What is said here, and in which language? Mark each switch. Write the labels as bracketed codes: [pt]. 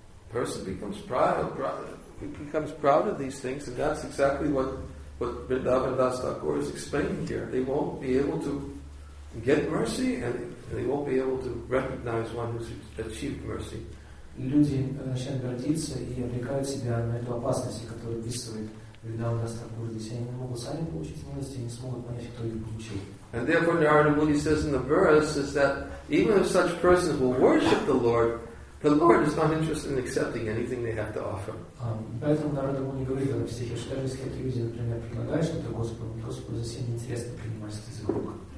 [en] Person becomes proud of these things, and that's exactly what Vrindavan Das Thakur is explaining here. They won't be able to get mercy, and they won't be able to recognize one who's achieved mercy. [ru] Люди начинают гордиться и обрекают себя на эту опасность, которую описывает Вриндаван Дас Такур. Если они не могут сами получить милость, они не смогут понять, кто их получил. [en] And therefore, Narada Muni says in the verse is that even if such persons will worship the Lord is not interested in accepting anything they have to offer. [ru] Поэтому Нарада Муни говорит в стихе, что если эти люди, например, предлагают что-то Господу, Господу совсем не интересно принимать это из их рук.